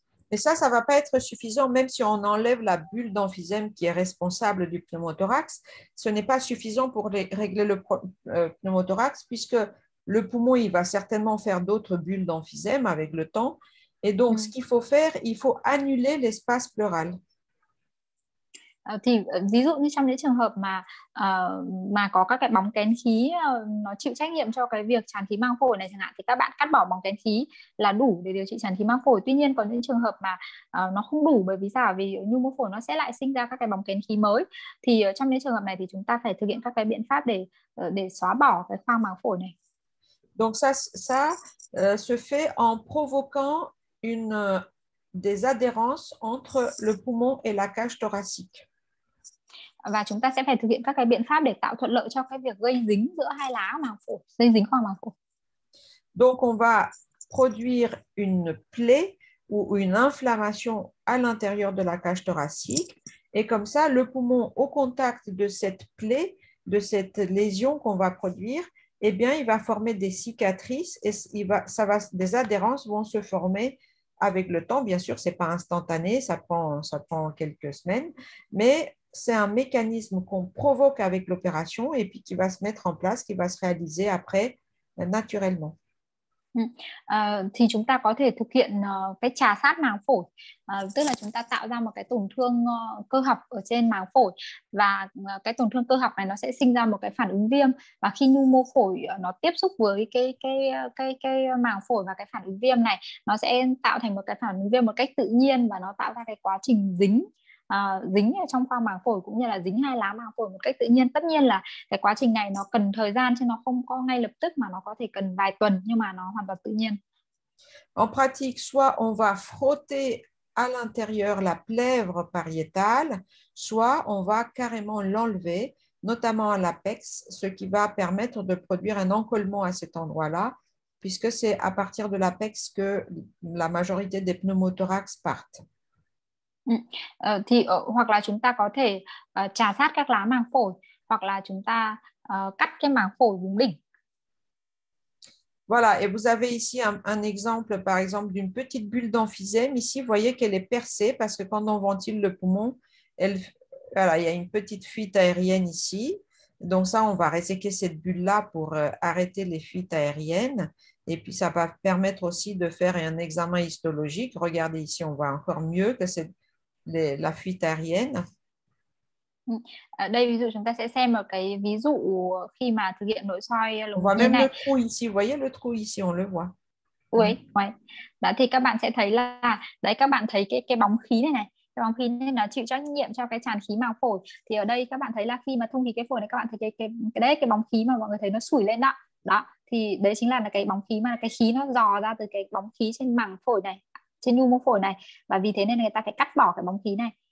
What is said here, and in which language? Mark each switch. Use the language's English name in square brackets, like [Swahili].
[French] Et ça ne va pas être suffisant, même si on enlève la bulle d'emphysème qui est responsable du pneumothorax. Ce n'est pas suffisant pour régler le pneumothorax, puisque le poumon, il va certainement faire d'autres bulles d'emphysème avec le temps. Et donc, ce qu'il faut faire, il faut annuler l'espace pleural. [Vietnamese] Thì ví dụ như trong những trường hợp mà có các cái bóng kén khí nó chịu trách nhiệm cho cái việc tràn khí mang phổi này chẳng hạn, thì các bạn cắt bỏ bóng kén khí là đủ để điều trị tràn khí mang phổi. Tuy nhiên có những trường hợp mà nó không đủ, bởi vì sao? Vì nhu mô phổi nó sẽ lại sinh ra các cái bóng kén khí mới. Thì trong những trường hợp này thì chúng ta phải thực hiện các cái biện pháp để xóa bỏ cái khoang màng phổi này. [French] Donc ça se fait en provoquant des adhérences entre le poumon et la cage thoracique. [Vietnamese] Và chúng ta sẽ phải thực hiện các cái biện pháp để tạo thuận lợi cho cái việc gây dính giữa hai lá màng phổi, gây dính khoang màng phổi. [French] Donc on va produire une plaie ou une inflammation à l'intérieur de la cage thoracique et comme ça le poumon au contact de cette plaie, de cette lésion qu'on va produire, eh bien, il va former des cicatrices et des adhérences vont se former avec le temps. Bien sûr, ce n'est pas instantané, ça prend quelques semaines, mais c'est un mécanisme qu'on provoque avec l'opération et puis qui va se mettre en place, qui va se réaliser après naturellement. [Vietnamese] Thì chúng ta có thể thực hiện cái trà sát màng phổi, tức là chúng ta tạo ra một cái tổn thương cơ học ở trên màng phổi và cái tổn thương cơ học này nó sẽ sinh ra một cái phản ứng viêm, và khi nhu mô phổi nó tiếp xúc với cái màng phổi và cái phản ứng viêm này, nó sẽ tạo thành một cái phản ứng viêm một cách tự nhiên và nó tạo ra cái quá trình dính. Dính ở trong khoang màng phổi cũng như là dính hai lá màng phổi một cách tự nhiên. Tất nhiên là cái quá trình này nó cần thời gian chứ nó không có ngay lập tức, mà nó có thể cần vài tuần, nhưng mà nó hoàn toàn tự nhiên. [French] En pratique, soit on va frotter à l'intérieur la plèvre pariétale, soit on va carrément l'enlever, notamment à l'apex, ce qui va permettre de produire un encollement à cet endroit-là, puisque c'est à partir de l'apex que la majorité des pneumothorax partent. [Vietnamese] Thì hoặc là chúng ta có thể trà sát các lá màng phổi, hoặc là chúng ta cắt cái màng phổi vùng đỉnh. [French] Voilà, et vous avez ici un exemple, par exemple, d'une petite bulle d'emphysème. Ici, vous voyez qu'elle est percée parce que quand on ventile le poumon, voilà, il y a une petite fuite aérienne ici. Donc ça, on va réséquer cette bulle-là pour arrêter les fuites aériennes. Et puis, ça va permettre aussi de faire un examen histologique. Regardez ici, on voit encore mieux que la fuite aérienne. [Vietnamese] Ở đây ví dụ chúng ta sẽ xem một cái ví dụ khi mà thực hiện nội soi [French] On [Vietnamese] lồng [French] voit [Vietnamese] ghi [French] même le [Vietnamese] này. [French] trou ici, vous voyez le trou ici, on le voit. Ouais. [Vietnamese] Đó thì các bạn sẽ thấy là đấy, các bạn thấy cái bóng khí này này, cái bóng khí này nó chịu trách nhiệm cho cái tràn khí màng phổi. Thì ở đây các bạn thấy là khi mà thông khí cái phổi này, các bạn thấy cái bóng khí mà mọi người thấy nó sủi lên đó. Đó thì đấy chính là cái bóng khí, mà cái khí nó dò ra từ cái bóng khí trên màng phổi này, trên nhu mô phổi này, và vì thế nên người ta phải cắt bỏ cái bóng khí này.